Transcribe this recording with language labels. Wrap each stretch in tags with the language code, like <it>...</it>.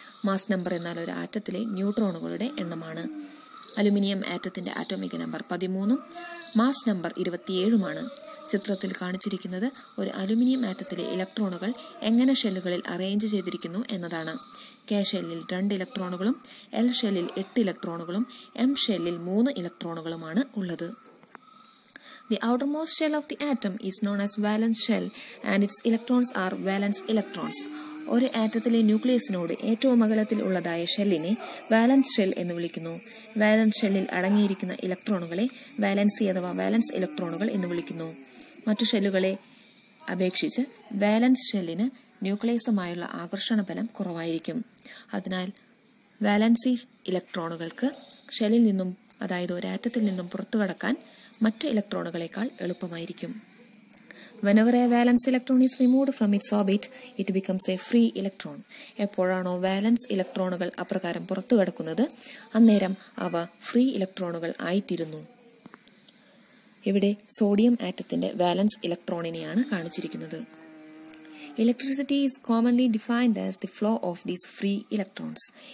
<ml>Mass number എന്നാൽ ഒരു ആറ്റത്തിലെ ന്യൂട്രോണുകളുടെ എണ്ണമാണ്. Aluminium ആറ്റത്തിന്റെ atomic number 13, mass number 27. ചിത്രത്തിൽ കാണിച്ചിരിക്കുന്നത് ഒരു അലുമിനിയം ആറ്റത്തിലെ ഇലക്ട്രോണുകൾ എങ്ങനെ ഷെല്ലുകളിൽ അറേഞ്ച് ചെയ്തിരിക്കുന്നു എന്നതാണ്. കെ ഷെല്ലിൽ 2 ഇലക്ട്രോണുകളും എൽ ഷെല്ലിൽ 8 ഇലക്ട്രോണുകളും എം ഷെല്ലിൽ 3 ഇലക്ട്രോണുകളുമാണ് ഉള്ളത്.</ml> <en>The outermost shell of the atom is known as valence shell and its electrons are valence electrons.</en> <ml>ഒരു ആറ്റത്തിലെ ന്യൂക്ലിയസിനോട് ഏറ്റവും അകലത്തിൽ ഉള്ളതായ ഷെല്ലിനെ വാലൻസ് ഷെൽ എന്ന് വിളിക്കുന്നു. വാലൻസ് ഷെല്ലിൽ അടങ്ങിയിരിക്കുന്ന ഇലക്ട്രോണുകളെ വാലൻസി അഥവാ വാലൻസ് ഇലക്ട്രോണുകൾ എന്ന് വിളിക്കുന്നു. മറ്റു ഷെല്ലുകളെ അപേക്ഷിച്ച് വാലൻസ് ഷെല്ലിന് ന്യൂക്ലിയസുമായുള്ള ആകർഷണ ബലം കുറവായിരിക്കും. അതിനാൽ വാലൻസി ഇലക്ട്രോണുകൾക്ക് ഷെല്ലിൽ നിന്നും, അതായത് ഒരാറ്റത്തിൽ നിന്നും പുറത്തു കടക്കാൻ മറ്റു ഇലക്ട്രോണുകളെക്കാൾ എളുപ്പമായിരിക്കും.</ml> <en>Whenever a valence electron is removed from its orbit, it becomes a free electron.</en> <ml>എപ്പോഴാണ് വാലൻസ് ഇലക്ട്രോണുകൾ അപ്രകാരം പുറത്തു കടക്കുന്നത്, അന്നേരം അവ ഫ്രീ ഇലക്ട്രോണുകൾ ആയിത്തീരുന്നു. ഇവിടെ സോഡിയം ആറ്റത്തിന്റെ വാലൻസ് ഇലക്ട്രോണിനെയാണ് കാണിച്ചിരിക്കുന്നത്.</ml> <en>Electricity is commonly defined as the flow of these free electrons.</en>